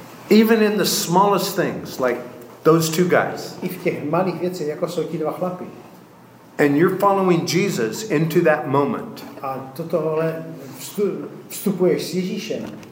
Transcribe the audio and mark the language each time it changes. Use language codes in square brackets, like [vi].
[en] even in the smallest things, like those two guys, [cs] i v těch malých věcech, jako jsou ti dva chlapi, [en] and you're following Jesus into that moment. [cs] A tohle vstupuješ s Ježíšem.